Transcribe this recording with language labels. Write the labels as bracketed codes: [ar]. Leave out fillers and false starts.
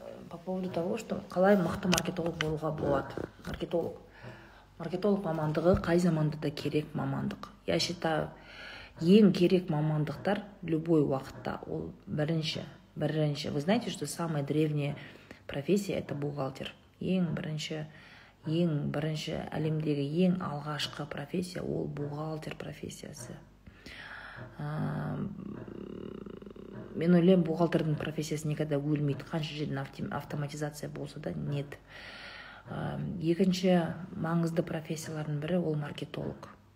[ru] По поводу того, что [kk] қалай мақты маркетолог болуға болады. Маркетолог. Маркетолог мамандығы қай заманда да керек мамандық. [ru] Я считаю, [kk] ең керек мамандықтар [ru] любой [kk] уақытта. Ол бірінші. [ru] Вы знаете, что самая древняя профессия – это бухгалтер. [kk] Ең бірінші әлемдегі ең алғашқы профессия – ол бухгалтер профессиясы. Мен ойлем, бухгалтердің профессиясы [ru] некогда [kk] өлмейді. Қанша жерден автоматизация болса да [ru] нет. [kk] Екінші маңызды профессиялардың бірі ол маркетолог.